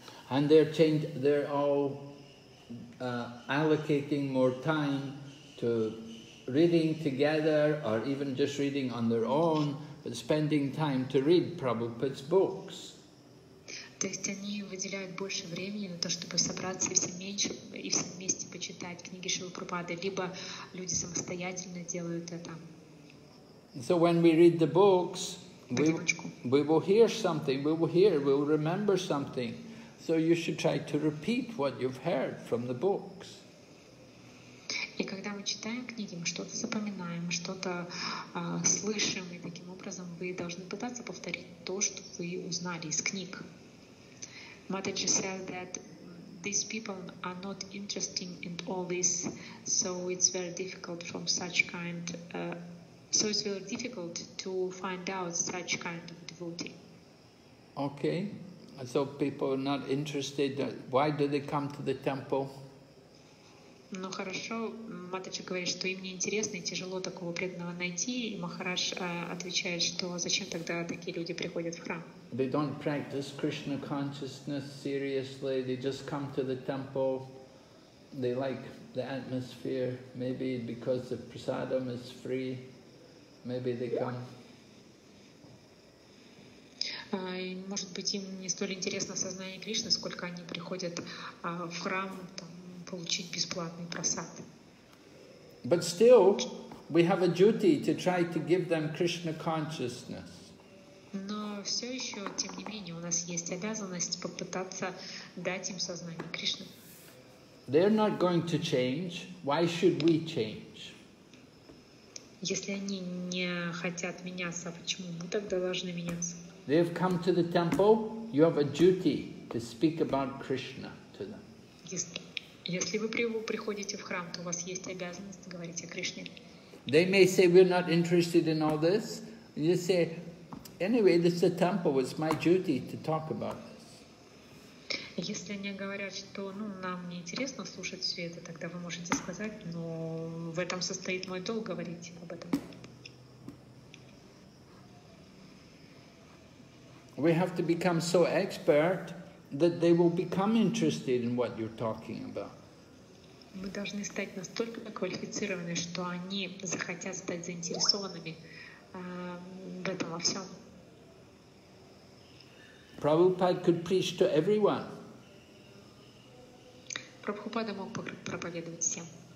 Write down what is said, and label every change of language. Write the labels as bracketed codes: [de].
[en] And they're all allocating more time to reading together or even just reading on their own. Spending time to read Prabhupada's books. [ru] То есть они выделяют больше времени на то, чтобы собраться все меньше и все вместе почитать книги Шрилы Прабхупады, либо люди самостоятельно делают это. [en] So when we read the books, we will hear something, we will remember something. So you should try to repeat what you've heard from the books. [ru] И когда мы читаем книги, мы что-то запоминаем, что-то слышим, и таким образом вы должны пытаться повторить то, что вы узнали из книг. [en] Mataji said that these people are not interesting in all this, so it's very difficult from such kind. So it's very difficult to find out such kind of devotee. Okay, so people are not interested. Why do they come to the temple? [ru] Ну хорошо, Матача говорит, что им не интересно и тяжело такого преданного найти, и Махарадж отвечает, что зачем тогда такие люди приходят в храм? [en] They don't practice Krishna consciousness seriously. They just come to the temple. They like the atmosphere. Maybe because the prasadam is free, maybe they come. [ru] Может быть, им не столь интересно сознание Кришны, сколько они приходят в храм. Получить бесплатный просад. [en] But still, we have a duty to try to give them Krishna consciousness. [ru] Но все еще, тем не менее, у нас есть обязанность попытаться дать им сознание Кришны. [en] They're not going to change. Why should we change? [ru] Если они не хотят меняться, почему мы тогда должны меняться? [en] They have come to the temple. You have a duty to speak about Krishna to them. [ru] Если вы приходите в храм, то у вас есть обязанность говорить о Кришне. [en] They may say, we're not interested in all this. You say, anyway, this is a temple, it's my duty to talk about this. [ru] Если они говорят, что нам не интересно слушать все это, тогда вы можете сказать, но в этом состоит мой долг говорить об этом. [en] We have to become so expert that they will become interested in what you're talking about. [ru] Мы должны стать настолько квалифицированы, что они захотят стать заинтересованными в этом во всем. [en] Prabhupada could preach to everyone. [ru] Прабхупада мог проповедовать всем.